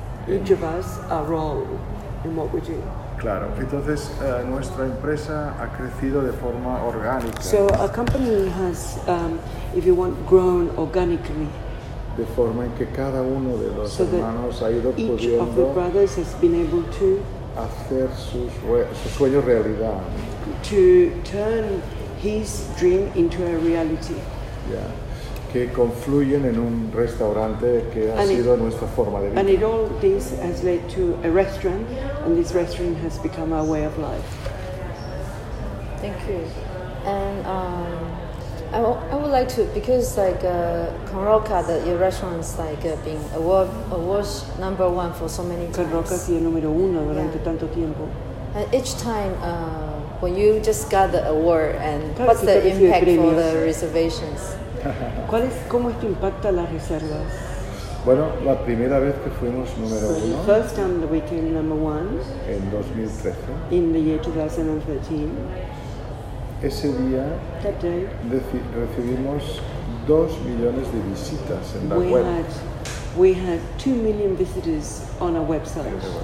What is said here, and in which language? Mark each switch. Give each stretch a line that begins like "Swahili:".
English: Each of us a role in what we do.
Spanish: Claro, entonces nuestra empresa ha crecido de forma orgánica.
English: So our company has, if you want, grown organically.
Spanish: De forma en que cada uno de los hermanos ha ido pudiendo.
English: Each of the brothers has been able to
Spanish: hacer su sueño realidad.
English: To turn his dream into a reality. Yeah.
Spanish: Que confluyen en un restaurante que ha sido nuestra forma de vida.
English: And it all this has led to a restaurant, and this restaurant has become our way of life. Thank you. And I would like to, because like Conroca, that your restaurant's like been award number one for so many times.
Spanish: Conroca sido número uno durante tanto tiempo.
English: And each time when you just got the award, and what's the impact for the reservations?
Spanish: ¿Cómo esto impacta las reservas? Bueno, la primera vez que fuimos número uno.
English: The first time that we came number one.
Spanish: En 2013.
English: In the year 2013.
Spanish: Ese día.
English: That day.
Spanish: Recibimos 2 millones de visitas en la web.
English: We had 2 million visitors on our website.